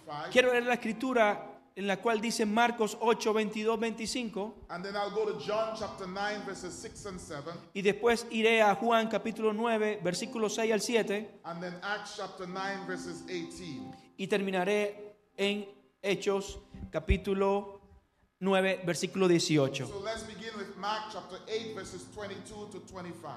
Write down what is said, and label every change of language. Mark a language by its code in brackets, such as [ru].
[es] Quiero leer la escritura en la cual dice Marcos 8, 22, 25. [en] And then I'll go to John chapter 9, verses 6 and 7. [es] Y después iré a Juan capítulo 9, versículos 6 al 7. [en] And then Acts chapter 9, verses 18. [es] Y terminaré en Hechos capítulo 9, versículo 18. [en] So let's begin with Mark chapter 8, verses 22 to 25.